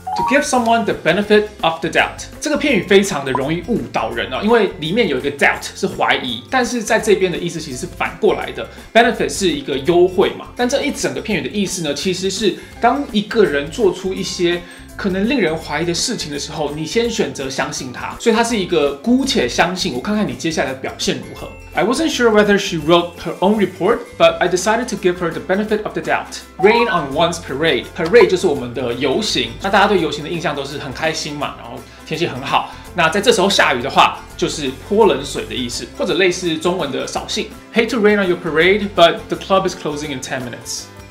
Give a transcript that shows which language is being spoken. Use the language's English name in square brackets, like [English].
[English] To give someone the benefit of the doubt， [Chinese] 这个片语非常的容易误导人，因为里面有一个 doubt 是怀疑，但是在这边的意思其实是反过来的。 Benefit 是一个优惠嘛，但这一整个片语的意思呢，其实是当一个人做出一些可能令人怀疑的事情的时候，你先选择相信他，所以他是一个姑且相信，我看看你接下来的表现如何。 [English] I wasn't sure whether she wrote her own report, but I decided to give her the benefit of the doubt. Rain on one's parade. [Chinese] Parade 就是我们的游行，那大家对游行的印象都是很开心嘛，然后天气很好。那在这时候下雨的话，就是泼冷水的意思，或者类似中文的扫兴。 [English] Hate to rain on your parade, but the club is closing in 10 minutes.